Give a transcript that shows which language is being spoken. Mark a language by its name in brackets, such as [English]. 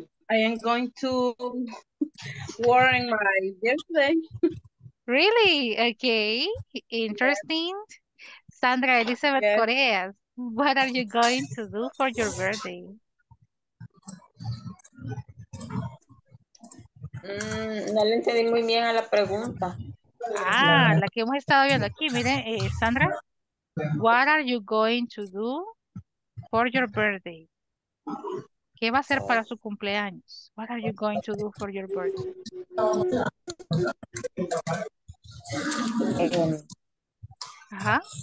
[English] I am going to wear my birthday. Really? Okay. Interesting. Yeah. Sandra Elizabeth Correa, what are you going to do for your birthday? [Spanish] No le entendí muy bien a la pregunta. Ah, la que hemos estado viendo aquí, miren, Sandra. [English] What are you going to do for your birthday? [Spanish] ¿Qué va a hacer para su cumpleaños? [English] What are you going to do for your birthday? [Spanish] Ajá.